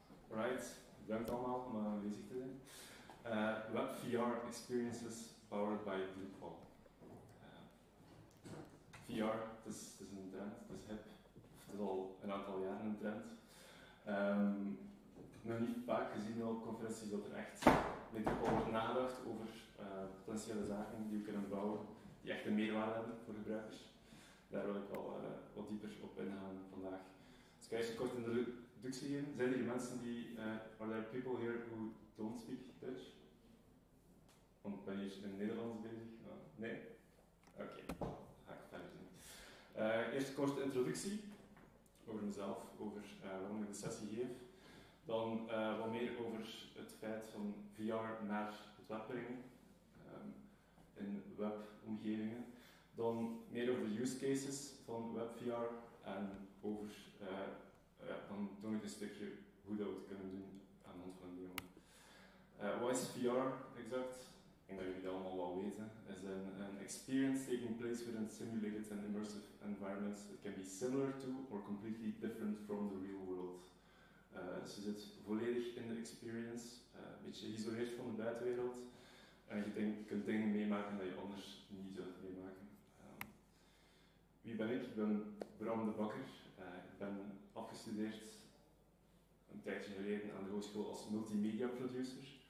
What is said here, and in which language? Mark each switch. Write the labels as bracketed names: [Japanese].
[Dutch] Right, bedankt allemaal om aanwezig te zijn. Web VR experiences powered by Drupal. VR, het is een trend, het is hip. Het is al een aantal jaren een trend. Ik heb nog niet vaak gezien op conferenties dat er echt met Drupal wordt nagedacht over potentiële zaken die we kunnen bouwen, die echt een meerwaarde hebben voor gebruikers. Daar wil ik wel wat dieper op ingaan vandaag. Dus kan je eens kort in de introductie geven? Zijn er hier mensen die... [English] are there people here who don't speak Dutch? [Dutch] Want ben je in Nederlands bezig? Nee? Oké, ga ik verder doen. Eerst een korte introductie over mezelf, over waarom ik de sessie geef. Dan wat meer over het feit van VR naar het web brengen, in webomgevingen. Dan meer over use cases van web VR en over, dan doe ik een stukje hoe dat we het kunnen doen aan de hand van een demo. Wat is VR exact? Ik denk dat jullie dat allemaal wel weten. Het is een [English] experience taking place within simulated and immersive environments. It can be similar to or completely different from the real world. [Dutch] Dus je zit volledig in de experience, een beetje geïsoleerd van de buitenwereld. En je kunt dingen meemaken dat je anders niet zou meemaken. Wie ben ik? Ik ben Bram de Bakker. Ik ben afgestudeerd een tijdje geleden aan de hogeschool als multimedia producer.